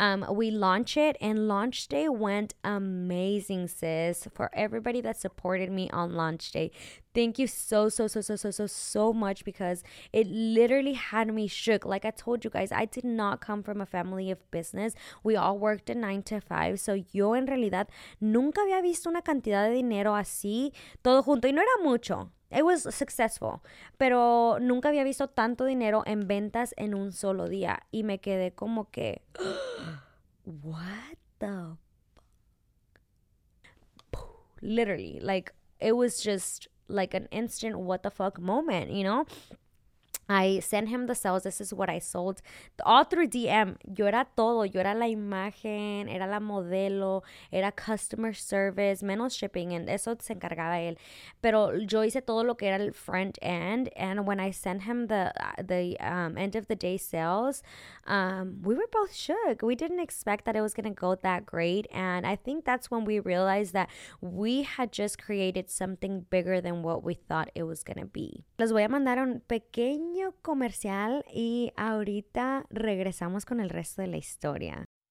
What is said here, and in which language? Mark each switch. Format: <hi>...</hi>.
<en>We launch it, and launch day went amazing, sis. For everybody that supported me on launch day, thank you so, so, so, so, so, so, so much, because it literally had me shook. Like I told you guys, I did not come from a family of business. We all worked a 9-to-5.</en> <es>So yo en realidad nunca había visto una cantidad de dinero así, todo junto, y no era mucho.</es> <en>It was successful,</en> <es>pero nunca había visto tanto dinero en ventas en un solo día. Y me quedé como que,</es> <en>what the fuck?</en> <es>Literally, like, it was just like an instant what the fuck moment, you know? I sent him the sales. This is what I sold. All through DM. Yo era todo. Yo era la imagen. Era la modelo. Era customer service. Menos shipping. And eso se encargaba él. Pero yo hice todo lo que era el front end.</es> <en>And when I sent him the end of the day sales, we were both shook. We didn't expect that it was going to go that great. And I think that's when we realized that we had just created something bigger than what we thought it was going to be.</en> <es>Les voy a mandar un pequeño comercial y ahorita regresamos con el resto de la historia.</es>